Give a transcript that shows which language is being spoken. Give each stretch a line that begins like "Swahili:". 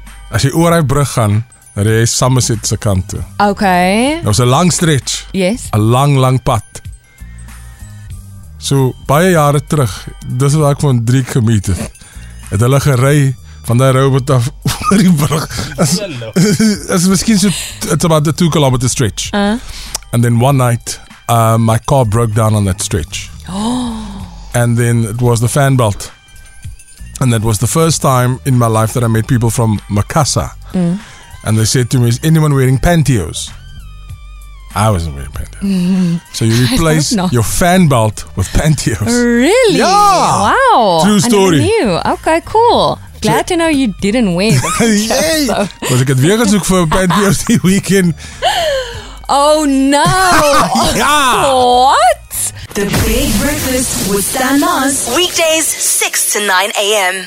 Afrikaans: As jy oor die brug gaan, dan jy Somerset se kant toe.
English: Okay.
Afrikaans: Dit was 'n lang stretch.
English: Yes.
Afrikaans: 'n Lang, lang pad. So, baie jare terug, dis wat ek van Driek gemeet het, het hulle gery van die robot af oor die brug. As miskien so,
English: it's about the 2 kilometer stretch. And then one night, my car broke down on that stretch. And then it was the fan belt. And that was the first time in my life that I met people from Makassa. Mm. And they said to me, is anyone wearing pantyhose? I wasn't wearing pantyhose. Mm. So you replace your fan belt with pantyhose. Really? Yeah! Wow! True story. I never knew. Okay, cool. Glad to know you didn't wear
Afrikaans: Was ek het weer gesoek vir pantyhose die weekend.
English: Oh no! Yeah! What? The Big Breakfast with Stan Mars. Weekdays 6 to 9 a.m.